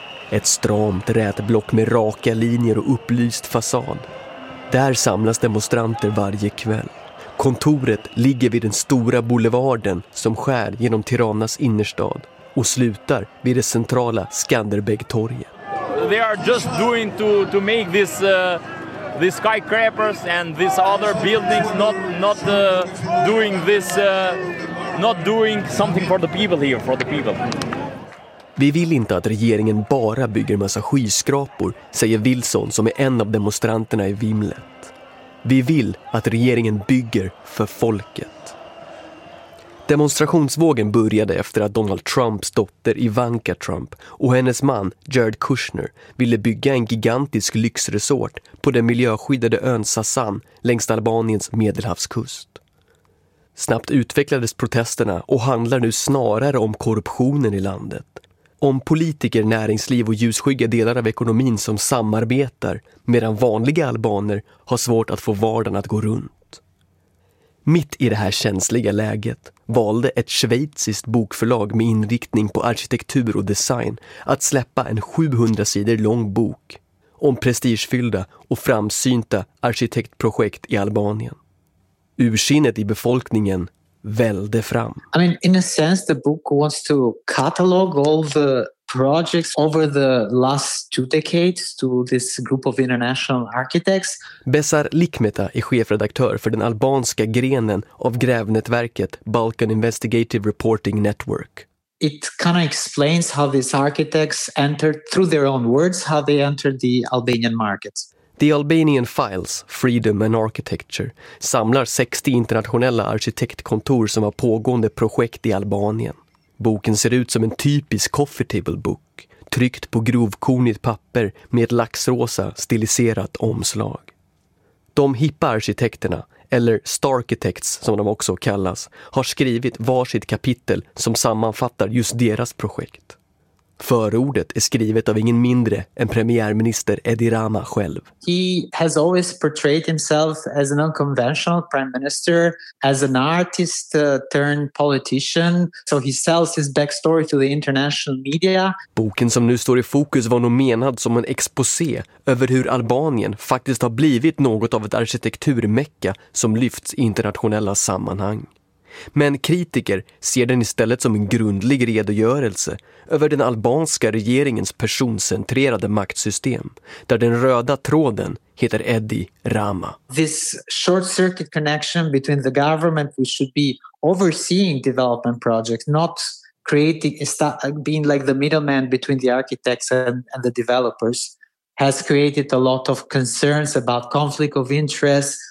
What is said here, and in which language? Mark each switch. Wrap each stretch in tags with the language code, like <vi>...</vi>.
<sv>Ett stramt rätblock med raka linjer och upplyst fasad. Där samlas demonstranter varje kväll. Kontoret ligger vid den stora boulevarden som skär genom Tiranas innerstad och slutar vid det centrala Skanderbegtorget.</sv> <en>They are just doing to make this these skyscrapers and these other buildings not doing something for the people here, for the people.</en> <sv>Vi vill inte att regeringen bara bygger en massa skyskrapor, säger Wilson som är en av demonstranterna i vimlet. Vi vill att regeringen bygger för folket. Demonstrationsvågen började efter att Donald Trumps dotter Ivanka Trump och hennes man Jared Kushner ville bygga en gigantisk lyxresort på den miljöskyddade ön Sassan längs Albaniens medelhavskust. Snabbt utvecklades protesterna och handlar nu snarare om korruptionen i landet. Om politiker, näringsliv och ljusskygga delar av ekonomin som samarbetar medan vanliga albaner har svårt att få vardagen att gå runt. Mitt i det här känsliga läget valde ett schweiziskt bokförlag med inriktning på arkitektur och design att släppa en 700 sidor lång bok om prestigefyllda och framsynta arkitektprojekt i Albanien. Ursinnet i befolkningen välde fram.</sv> <en>I mean, in a sense, the book wants to catalog all the projects over the last 2 decades to this group of international architects.</en> <sv>Besar Likmeta är chefredaktör för den albanska grenen av grävnätverket Balkan Investigative Reporting Network.</sv> <en>It kind of explains how these architects entered, through their own words, how they entered the Albanian market.</en> <sv>The Albanian Files, Freedom and Architecture, samlar 60 internationella arkitektkontor som har pågående projekt i Albanien. Boken ser ut som en typisk coffee table book, tryckt på grovkornigt papper med ett laxrosa stiliserat omslag. De hippa arkitekterna, eller Starkitects som de också kallas, har skrivit varsitt kapitel som sammanfattar just deras projekt. Förordet är skrivet av ingen mindre än premiärminister Edi Rama själv.</sv> <en>He has always portrayed himself as an unconventional prime minister, as an artist turned politician. So he sells his backstory to the international media.</en> <sv>Boken som nu står i fokus var nog menad som en exposé över hur Albanien faktiskt har blivit något av ett arkitekturmecka som lyfts i internationella sammanhang. Men kritiker ser den istället som en grundlig redogörelse över den albanska regeringens personcentrerade maktsystem, där den röda tråden heter Edi Rama.</sv> <en>This short circuit connection between the government, which should be overseeing development projects, not creating, being like the middleman between the architects and the developers, has created a lot of concerns about conflict of interest.</en>